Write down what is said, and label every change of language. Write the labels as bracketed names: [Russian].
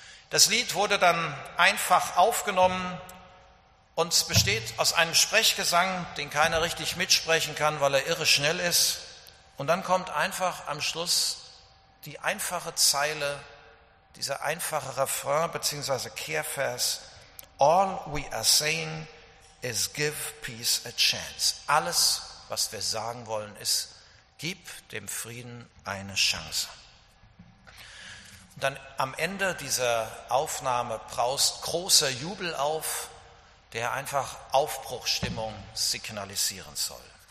[German] Das Lied wurde dann einfach aufgenommen und es besteht aus einem Sprechgesang, den keiner richtig mitsprechen kann, weil er irre schnell ist, Und dann kommt einfach am Schluss die einfache Zeile, dieser einfache Refrain bzw. [English] Kehrvers: All we are saying is give peace a chance. [German] Alles, was wir sagen wollen, ist: Gib dem Frieden eine Chance. Und dann am Ende dieser Aufnahme braust großer Jubel auf, der einfach Aufbruchstimmung signalisieren soll.